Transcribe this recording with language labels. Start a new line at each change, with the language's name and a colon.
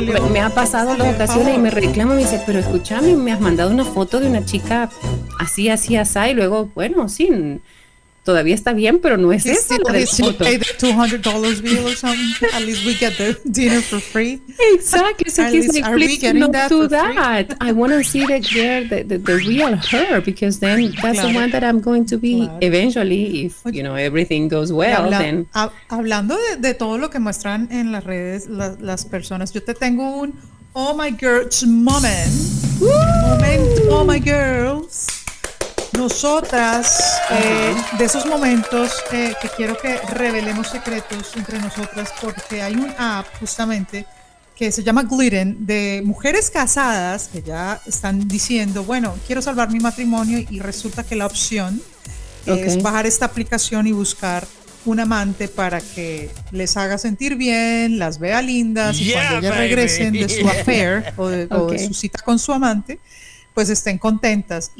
Spanish: Me ha pasado dos ocasiones y me reclama, me dice, pero escúchame, me has mandado una foto de una chica así, así, así, y luego, bueno, sí, todavía está bien, pero no es esa la del foto.
English: Pay the $200 bill or something, at least we get the dinner for free. Exactly, so he's like, please not do that. I want to see the girl, the real her, because then that's the one that I'm going to be eventually, if, you know, everything goes well.
Spanish: Hablando de todo lo que muestran en las redes las personas, yo te tengo un
English: oh my girls moment. Oh my girls.
Spanish: Nosotras, de esos momentos que quiero que revelemos secretos entre nosotras, porque hay un app justamente que se llama Glidden, de mujeres casadas que ya están diciendo, bueno, quiero salvar mi matrimonio, y resulta que la opción es bajar esta aplicación y buscar un amante para que les haga sentir bien, las vea lindas, y cuando ellas regresen de su affair o de su cita con su amante, pues estén contentas.